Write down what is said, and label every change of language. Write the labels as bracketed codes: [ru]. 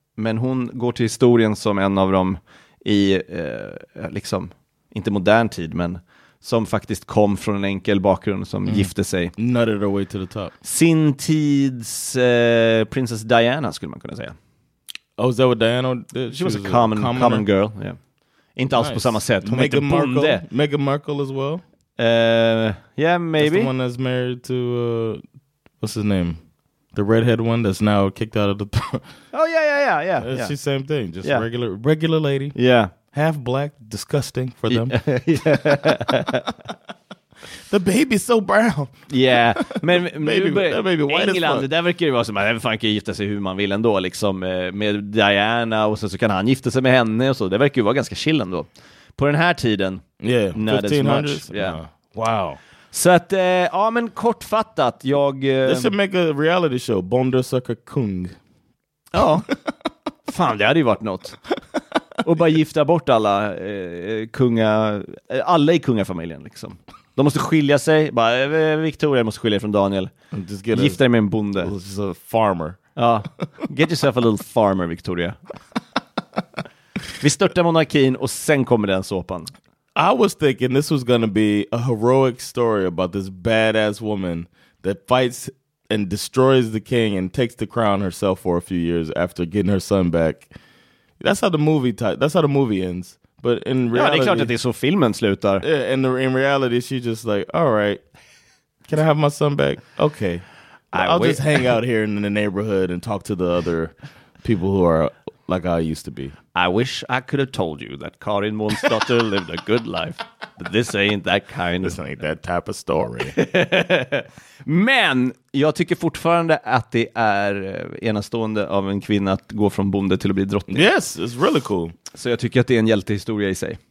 [sv] Men hon går till historien som en av dem i, liksom, inte modern tid, men som faktiskt kom från en enkel bakgrund som gifte sig. [en] Nutted her way to the top. [sv] Sin tids Princess Diana skulle man kunna säga. [en] Oh, is that what Diana did? She was a common girl. Yeah. [sv] Inte alls nice. På samma sätt. Hon [en] Meghan Markle. Meghan Markle as well? Yeah, maybe. That's the one that's married to, what's his name? The redhead one that's now kicked out of the... Oh, yeah. It's yeah. the same thing. Just yeah. regular lady. Yeah. Half black, disgusting for them. The baby's so brown. Yeah. Men baby white [sv] England, det där verkar ju vara som att man fan kan gifta sig hur man vill ändå. Liksom, med Diana och sen så kan han gifta sig med henne och så. Det verkar ju vara ganska chill ändå. På den här tiden. [en] Yeah, 1500s. Yeah. Wow. [sv] Så att, ja men kortfattat, jag... [en] This should make a reality show. [sv] Bonder söker kung. Ja. Fan, det hade ju varit något. Och bara gifta bort alla kunga... Alla i kungafamiljen liksom. De måste skilja sig. Bara, Victoria måste skilja från Daniel. Gifta dig med en bonde. [en] Just a farmer. Ja. Get yourself a little farmer, Victoria. [sv] Vi störtar monarkin och sen kommer den såpan. [en] I was thinking this was gonna be a heroic story about this badass woman that fights and destroys the king and takes the crown herself for a few years after getting her son back. That's how the movie ends. But in reality, [sv] yeah, det är klart att det är så filmen slutar. [en] In reality, she's just like, all right, can I have my son back? Okay. I'll just hang out here in the neighborhood and talk to the other people who are like I used to be. I wish I could have told you that Karin Månsdotter lived a good life. But ain't that type of story. [sv] Men jag tycker fortfarande att det är enastående av en kvinna att gå från bonde till att bli drottning. [en] Yes, it's really cool. [sv] Så jag tycker att det är en hjältehistoria i sig.